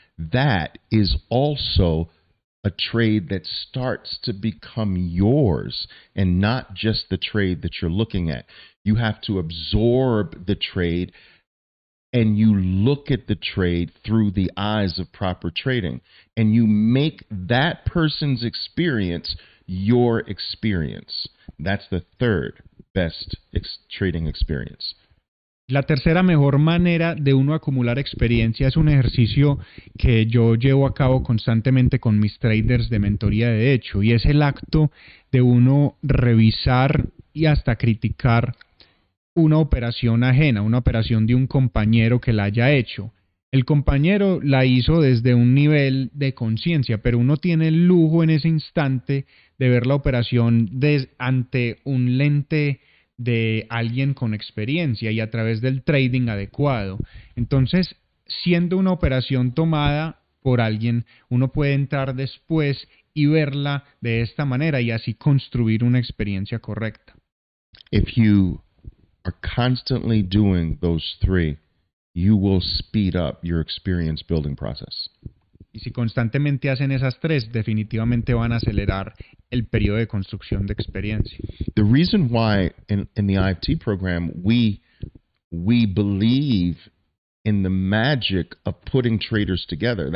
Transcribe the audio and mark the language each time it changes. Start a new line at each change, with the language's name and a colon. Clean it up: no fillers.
English: That is also a trade that starts to become yours and not just the trade that you're looking at. You have to absorb the trade and you look at the trade through the eyes of proper trading and you make that person's experience your experience. That's the third best trading experience.
Spanish: La tercera mejor manera de uno acumular experiencia es un ejercicio que yo llevo a cabo constantemente con mis traders de mentoría de hecho, y es el acto de uno revisar y hasta criticar una operación ajena, una operación de un compañero que la haya hecho. El compañero la hizo desde un nivel de conciencia, pero uno tiene el lujo en ese instante de ver la operación ante un lente de alguien con experiencia y a través del trading adecuado. Entonces, siendo una operación tomada por alguien, uno puede entrar después y verla de esta manera y así construir una experiencia correcta.
English: If you are constantly doing those three, you will speed up your experience building process.
Spanish: Y si constantemente hacen esas tres, definitivamente van a acelerar el periodo de construcción de experiencia.
English: The reason why in the IFT program we believe in the magic of putting traders together.